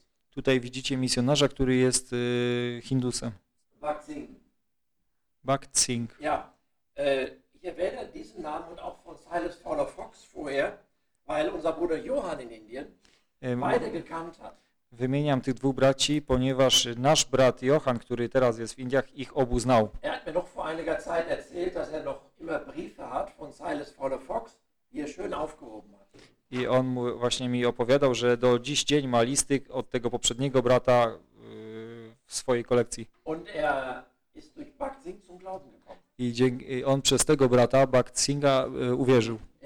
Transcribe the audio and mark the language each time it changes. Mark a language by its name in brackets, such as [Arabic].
[Polish] Tutaj widzicie misjonarza, który jest Hindusem. Bhakt Singh. [German] Ja. Ich erwähne diesen Namen und auch von Silas Fowler Fox vorher, weil unser Bruder Johann in Indien beide gekannt hat. [Polish] Wymieniam tych dwóch braci, ponieważ nasz brat Johann, który teraz jest w Indiach, ich obu znał. [German] Er hat mir noch vor einiger Zeit erzählt, dass er noch immer Briefe hat von Silas Fowler Fox, die er schön aufgehoben hat. [Polish] I on właśnie mi opowiadał, że do dziś dzień ma listy od tego poprzedniego brata w swojej kolekcji. [German] Und er ist durch Bhakt Singh zum Glauben gekommen. [Polish] I on przez tego brata, Bhakt Singha, uwierzył.